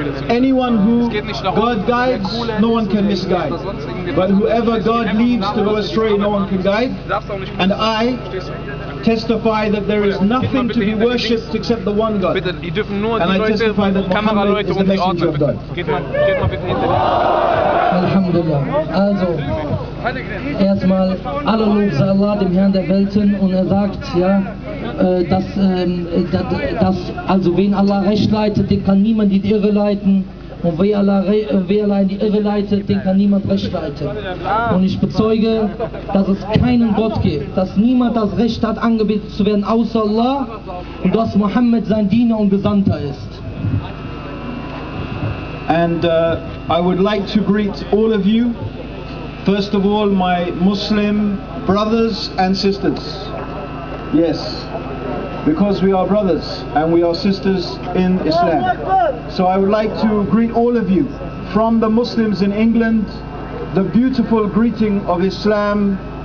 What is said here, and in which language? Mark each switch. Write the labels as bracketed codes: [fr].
[en] Anyone who God guides, no one can misguide. But whoever God leads to go astray, no one can guide. And I testify that there is nothing to be worshipped except the one God. And I testify that Muhammad is the messenger of God. [ar] Alhamdulillah. [de] Also, erstmal alle Lob sei Allah, dem Herrn der Welten, und er sagt, ja, dass also wen Allah recht leitet, den kann niemand in die Irre leiten, und wer Allah in die Irre leitet, den kann niemand recht leiten. Und ich bezeuge, dass es keinen Gott gibt, dass niemand das Recht hat, angebetet zu werden, außer Allah, und dass Mohammed sein Diener und Gesandter ist. [en] And I would like to greet all of you, first of all my Muslim brothers and sisters. Yes, because we are brothers and we are sisters in Islam. So I would like to greet all of you from the Muslims in England, the beautiful greeting of Islam.